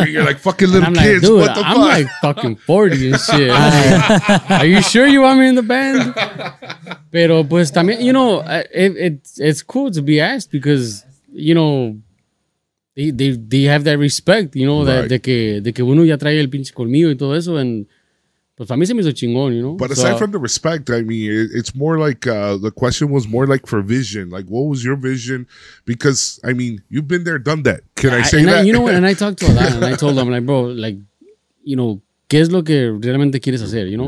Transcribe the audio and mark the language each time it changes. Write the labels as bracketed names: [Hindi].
[English] And you're like fucking little kids. Like, dude, what the I'm Like fucking 40 and shit. Are you sure you want me in the band? [Spanish] Pero pues también, [English] you know, it's cool to be asked because, you know, they have that respect, you know, right. [Spanish] de que uno ya trae el pinche colmillo y todo eso. And pues a mí se me hizo chingón, [English] you know? But aside from the respect, I mean, it's more like the question was more like for vision. Like, what was your vision? Because, I mean, you've been there, done that. Can I say that? And I talked to Adan and I told him, like, bro, like, you know, [Spanish] ¿qué es lo que realmente quieres hacer, [English] you know?